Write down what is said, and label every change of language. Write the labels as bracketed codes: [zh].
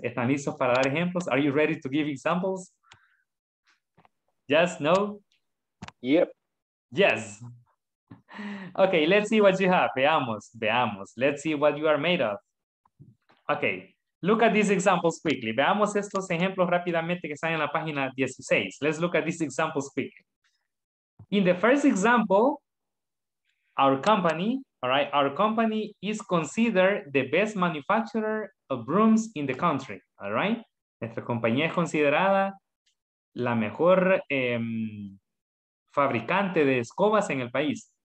[es] ¿Están listos para dar ejemplos? [en] Are you ready to give examples? Yes, no? Yep. Yes. Okay, let's see what you have. [es] Veamos. [en] Let's see what you are made of. Okay, look at these examples quickly. [es] Veamos estos ejemplos rápidamente que están en la página 16. [en] Let's look at these examples quickly. In the first example, our company, all right, our company is considered the best manufacturer of brooms in the country. [es] All right, nuestra compañía es considerada la mejor fabricante de escobas en el país.